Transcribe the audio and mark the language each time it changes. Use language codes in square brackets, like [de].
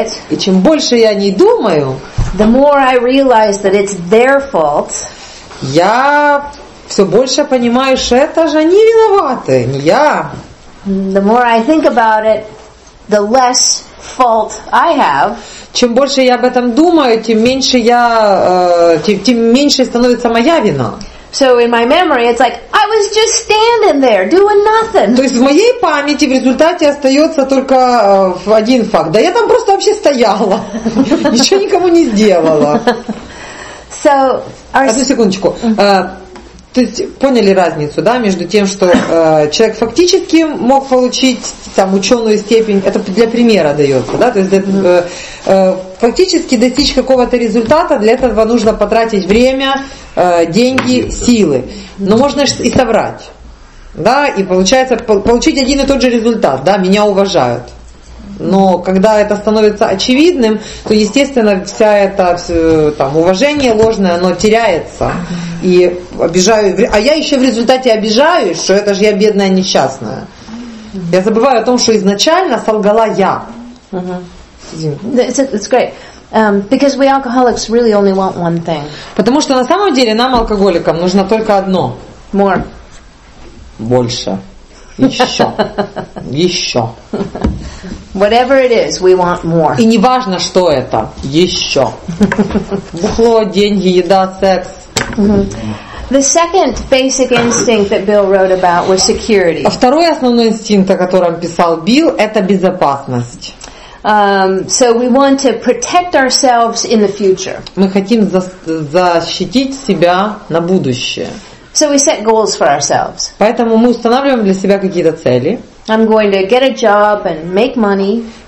[ru] И чем больше я о ней думаю, [en] the more I realize that it's their fault, [ru] я все больше понимаю, что это же они виноваты, не я. [en] The more I think about it, the less fault I have. [ru] Чем больше я об этом думаю, тем меньше я, тем меньше становится моя вина. [en] So in my memory, it's like I was just standing there doing nothing. [ru] То есть в моей памяти в результате остается только один факт. Да я там просто вообще стояла, ничего никому не сделала. [en] So, [ru] одну секундочку. То есть поняли разницу, да, между тем, что человек фактически мог получить там ученую степень, это для примера дается, да, то есть фактически достичь какого-то результата, для этого нужно потратить время, деньги, силы. Но можно и соврать, да, и получается получить один и тот же результат, да, меня уважают. Но когда это становится очевидным, то, естественно, вся это там, уважение ложное, оно теряется. И обижаю, а я еще в результате обижаюсь, что это же я бедная несчастная. Я забываю о том, что изначально солгала я. [en] It's great. Because we alcoholics really only want one thing. [ru] Потому что на самом деле нам, алкоголикам, нужно только одно. [en] More. [ru] Больше. Еще. [en] Whatever it is, we want more. [ru] И не важно, что это. Еще. Бухло, деньги, еда, секс. [en] The second basic instinct that Bill wrote about was security. [ru] А второй основной инстинкт, о котором писал Билл, это безопасность. [en] So we want to protect ourselves in the future. [ru] Мы хотим защитить себя на будущее. [en] So we set goals for ourselves. [ru] Поэтому мы устанавливаем для себя какие-то цели. [en] I'm going to get a job and make money.